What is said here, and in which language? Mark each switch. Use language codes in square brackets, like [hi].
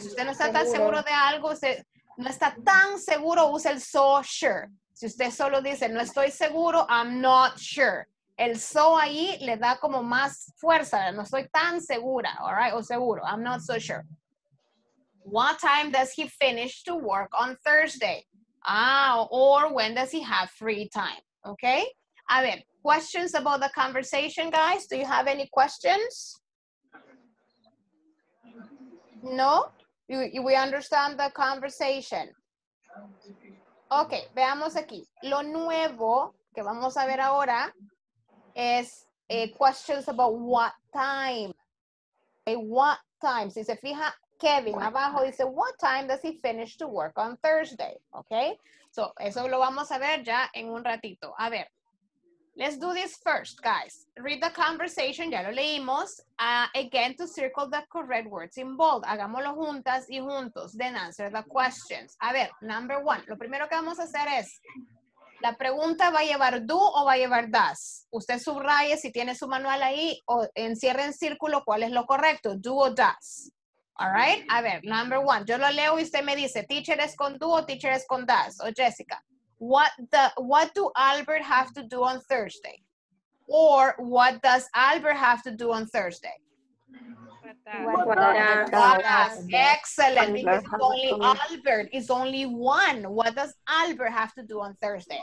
[es] Si usted no está tan seguro de algo, no está tan seguro, use el so sure. Si usted solo dice, no estoy seguro, [en] I'm not sure. [es] El so ahí le da como más fuerza. No estoy tan segura, [en] all right? [es] O seguro, [en] I'm not so sure. What time does he finish to work on Thursday? Ah, or when does he have free time? Okay? A ver, questions about the conversation, guys? Do you have any questions? No? We understand the conversation. [es] Okay, veamos aquí. Lo nuevo que vamos a ver ahora es [en] questions about what time. Okay, what time? [es] Si se fija, Kevin abajo dice, [en] what time does he finish to work on Thursday? [es] Okay, so eso lo vamos a ver ya en un ratito. A ver, [en] let's do this first, guys. Read the conversation, [es] ya lo leímos. [en] Again, to circle the correct words in bold. [es] Hagámoslo juntas y juntos. [en] Then answer the questions. [es] A ver, number one, lo primero que vamos a hacer es... La pregunta va a llevar do o va a llevar does. Usted subraye si tiene su manual ahí o encierre en círculo cuál es lo correcto, do o does. [en] All right? [es] A ver, [en] number one. [es] Yo lo leo y usted me dice, teacher es con do o teacher es con does. [en] O Jessica, what do Albert have to do on Thursday? Or what does Albert have to do on Thursday? Excellent. It's only one. What does Albert have to do on Thursday?